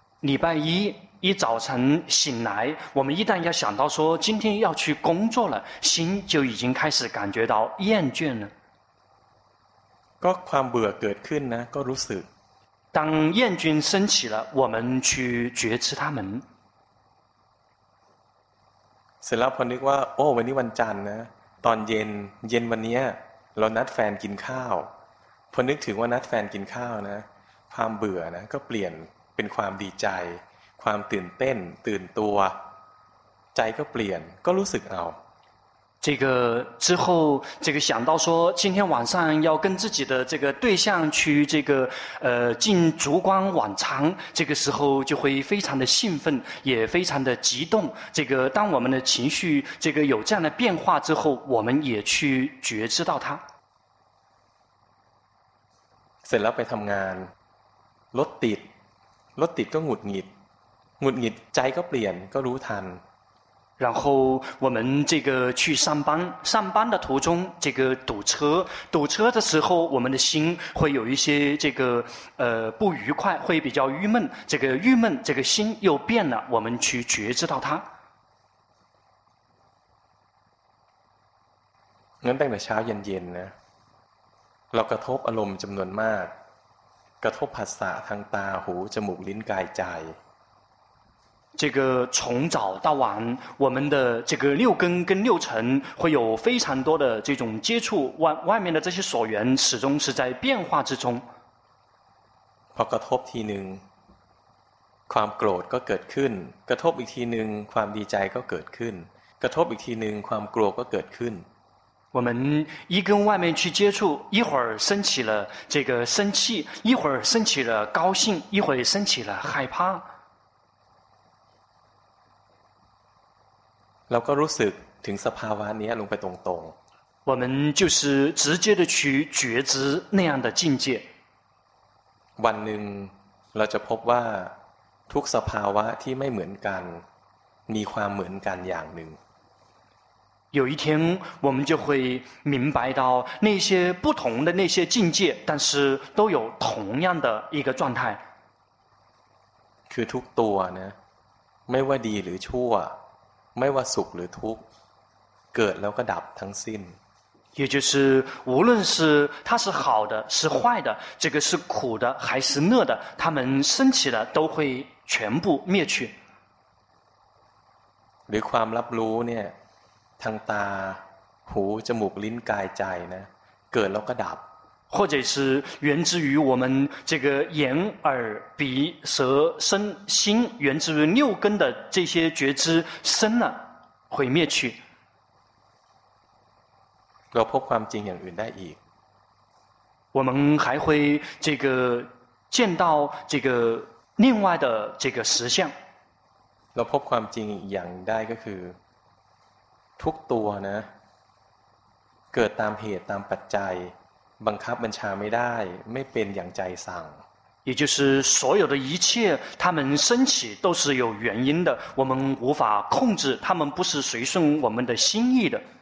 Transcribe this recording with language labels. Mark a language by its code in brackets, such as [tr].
[zh] 礼拜一一早晨醒来我们一旦要想到说今天要去工作了心就已经开始感觉到厌倦了 [th] ก็ความเบื่อเกิดขึ้นนะก็รู้สึก [zh] 当厌倦升起了我们去觉知他们 [th] เสร็จแล้วพอนึกว่าโอ้วันนี้วันจันทร์นะตอนเย็นเย็นวันนี้เรานัดแฟนกินข้าวพอนึกถึงว่านัดแฟนกินข้าวนะความเบื่อนะก็เปลี่ยนเป็นความดีใจความตื่นเต้นตื่นตัวใจก็เปลี่ยนก็รู้สึกเอา [zh] 这个之后这个想到说今天晚上要跟自己的这个对象去这个进烛光晚餐这个时候就会非常的兴奋也非常的激动这个当我们的情绪这个有这样的变化之后我们也去觉知到它 [th] เสร็จแล้วไปทำงานรถติดรถติดก็หงุดหงิดหงุดหงิดใจก็เปลี่ยนก็รู้ทัน [zh] 然后我们这个去上班上班的途中这个堵车堵车的时候我们的心会有一些这个不愉快会比较郁闷这个郁闷这个心又变了我们去觉知到它 [th] งั้นตั้งแต่เช้าเย็นๆนะเรากระทบอารมณ์จำนวนมากกระทบผัสสะทางตาหูจมูกลิ้นกายใจ [zh] 这个从早到晚我们的这个六根跟六尘会有非常多的这种接触 外面的这些所缘始终是在变化之中 [th] พอกระทบทีหนึ่งความโกรธก็เกิดขึ้นกระทบอีกทีหนึ่งความดีใจก็เกิดขึ้นกระทบอีกทีหนึ่งความกลัวก็เกิดขึ้น [zh] 我们一跟外面去接触一会儿升起了这个生气一会儿升起了高兴一会儿升起了害怕 [th] เราก็รู้สึกถึงสภาวะนี้ลงไปตรง [zh] ๆ我们就是直接的去觉知那样的境界 [th] วันหนึ่งเราจะพบว่าทุกสภาวะที่ไม่เหมือนกันมีความเหมือนกันอย่างหนึ่ง [zh] 有一天我们就会明白到那些不同的那些境界但是都有同样的一个状态 [th] คือทุกตัวนะไม่ว่าดีหรือชั่วไม่ว่าสุขหรือทุกข์เกิดแล้วก็ดับทั้งสิ้น [zh] 也就是无论是它是好的是坏的这个是苦的还是乐的它们升起的都会全部灭去 [th] หรือความรับรู้เนี่ยทางตาหูจมูกลิ้นกายใจนะเกิดแล้วก็ดับ [zh] 或者是源自于我们这个眼耳鼻舌身心源自于六根的这些觉知生了会灭去 [th] เราพบความจริงอย่างอื่นได้อีก [zh] 我们还会这个见到这个另外的这个实相 [th] เราพบความจริงอย่างได้ก็คือทุกตัวนะเกิดตามเหตุตามปัจจัยบังคับบัญชาไม่ได้ไม่เป็นอย่างใจสั่ง [zh] 也就是所有的一切它们升起都是有原因的我们无法控制它们不是随顺我们的心意的